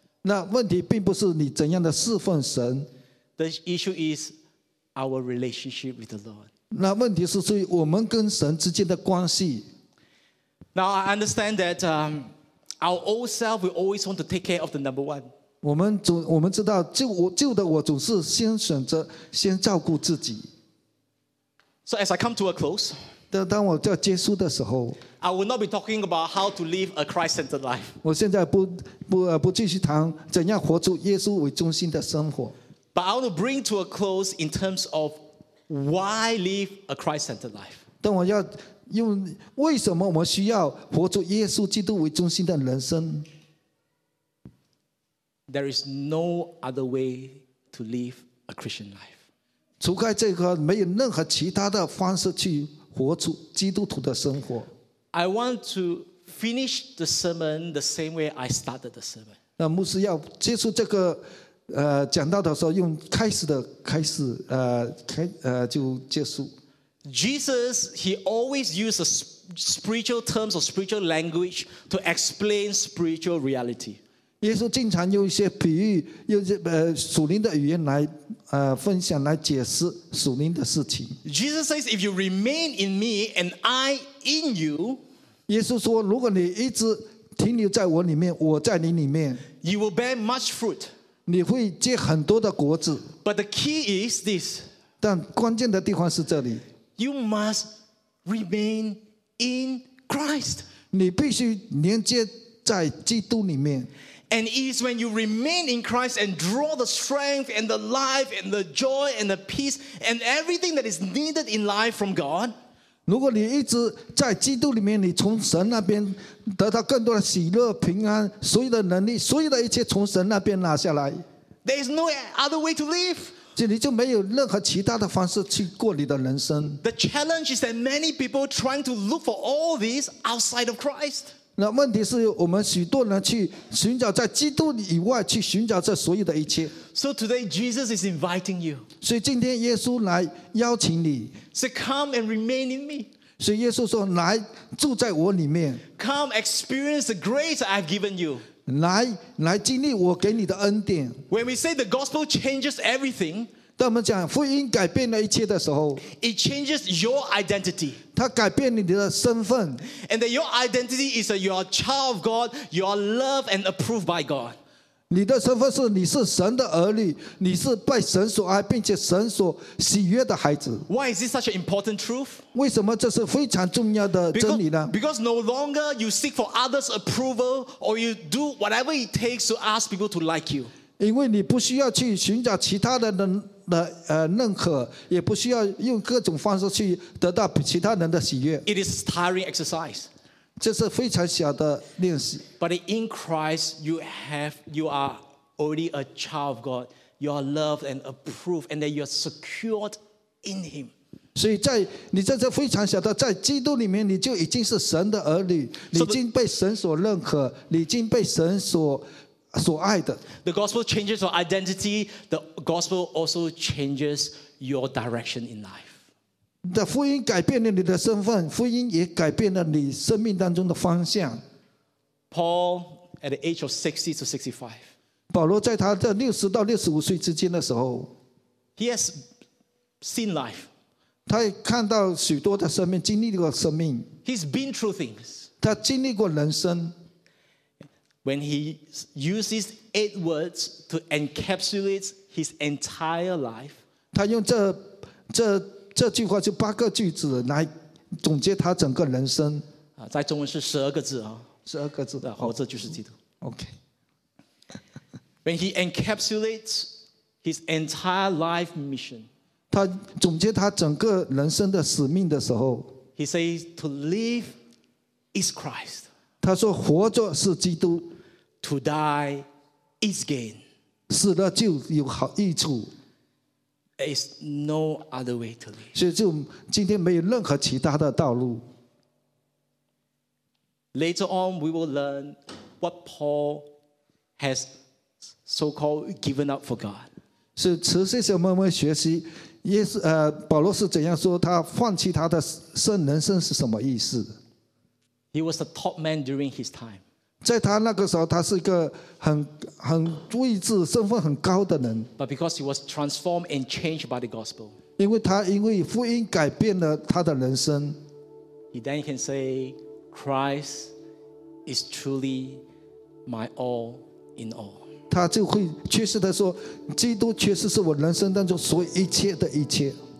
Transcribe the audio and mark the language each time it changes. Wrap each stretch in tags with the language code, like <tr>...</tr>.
<zh>那问题并不是你怎样的侍奉神。</zh> <en>The issue isOur relationship with the Lord.</en> <zh>那问题是所以我们跟神之间的关系。</zh> <en>Now I understand that our old self will always want to take care of the number one.</en> <zh>我们知道旧的我总是先选择先照顾自己。</zh> <en>So as I come to a close,</en> <zh>当我要结束的时候，</zh> <en>I will not be talking about how to live a Christ-centered life.</en> <zh>我现在不继续谈怎样活出耶稣为中心的生活。</zh> <en>But I want to bring to a close in terms of why live a Christ-centered life.</en> <zh>但我要用为什么我们需要活出耶稣基督为中心的人生。</zh> <en>There is no other way to live a Christian life.</en> <zh>除开这个，没有任何其他的方式去活出基督徒的生活。</zh> <en>I want to finish the sermon the same way I started the sermon.</en> <zh>那牧师要结束这个。讲到的时候用开始的开始就结束。</zh> <en>Jesus, he always used spiritual terms or spiritual language to explain spiritual reality.</en> <zh>耶稣经常用一些比喻用属灵的语言来分享来解释属灵的事情。</zh> <en>Jesus says, if you remain in me and I in you,</en> <zh>耶稣说如果你一直停留在我里面我在你里面，</zh> <en>you will bear much fruit.</en> <zh>你会结很多的果子。</zh> <en>But the key is this.</en> <zh>但关键的地方是这里。</zh> <en>You must remain in Christ.</en> <zh>你必须连接在基督里面。</zh> <en>And it's when you remain in Christ and draw the strength and the life and the joy and the peace and everything that is needed in life from God.</en> <zh>如果你一直在基督里面，你从神那边得到更多的喜乐平安，所有的能力所有的一切从神那边拿下来，</zh> <en>There is no other way to live.</en> <zh>这里就没有任何其他的方式去过你的人生。</zh> <en>The challenge is that many people trying to look for all these outside of Christ.</en> <zh>那问题是我们许多人去寻找在基督以外去寻找这所有的一切。</zh> <en>So today Jesus is inviting you.</en> <zh>所以今天耶稣来邀请你。</zh> <en>So come and remain in me.</en> <zh>所以耶稣说来住在我里面。</zh> <en>Come experience the grace I've given you.</en> <zh>来经历我给你的恩典。</zh> <en>When we say the gospel changes everything,</en> <zh>当我们讲福音改变了一切的时候，</zh> <en>It changes your identity.</en> <zh>它改变你的身份。</zh> <en>And that your identity is that you are a child of God, you are loved and approved by God.</en> <zh>你的身份是你是神的儿女，你是被神所爱并且神所喜悦的孩子。</zh> <en>Why is this such an important truth?</en> <zh>为什么这是非常重要的真理呢？</zh> <en>Because no longer you seek for others' approval or you do whatever it takes to ask people to like you.</en> <zh>因为你不需要去寻找其他人的认可，也不需要用各种方式去得到其他人的喜悦。</zh> <en>It is a tiring exercise.</en> <zh>这是非常小的练习。</zh> <en>But in Christ, you are already a child of God, you are loved and approved, and that you are secured in Him.</en> <zh>所以在你在这非常晓得，在基督里面，你就已经是神的儿女，你已经被神所认可，你已经被神所爱的。</zh> <en>The gospel changes your identity. The gospel also changes your direction in life.</en> <zh>的福音改变了你的身份，福音也改变了你生命当中的方向。</zh> <en>Paul at the age of 60 to 65.</en> <zh>保罗在他的60到65岁之间的时候</zh> <en>，He has seen life.</en> <zh>他也看到许多的生命，经历过生命。</zh> <en>He's been through things.</en> <zh>他经历过人生。</zh> <en>When he uses 8 words to encapsulate his entire life,</en> <zh>他用这句话就八个句子来总结他整个人生。在中文是12个字啊，十二个字。活着就是基督。</zh> <en>OK. When he encapsulates his entire life mission,</en> <zh>他总结他整个人生的使命的时候</zh> <en>，He says to live is Christ.</en> <zh>他说活着是基督。</zh> <en>To die is gain.</en> <zh>死了就有好益处。</zh> <en>It's no other way to live.</en> <zh>所以就今天没有任何其他的道路。</zh> <en>Later on, we will learn what Paul has so-called given up for God.</en> <zh>是持续什么么学习？耶稣保罗是怎样说他放弃他的圣人生是什么意思</zh> <en>？He was the top man during his time.</en> <zh>在他那个时候，他是一个很位置、身份很高的人。</zh> <en>But because he was transformed and changed by the gospel,</en> <zh>因为他因为福音改变了他的人生</zh> <en>，he then can say, "Christ is truly my all in all."</en> <zh>他就会确实的说，基督确实是我人生当中所有一切的一切。</zh>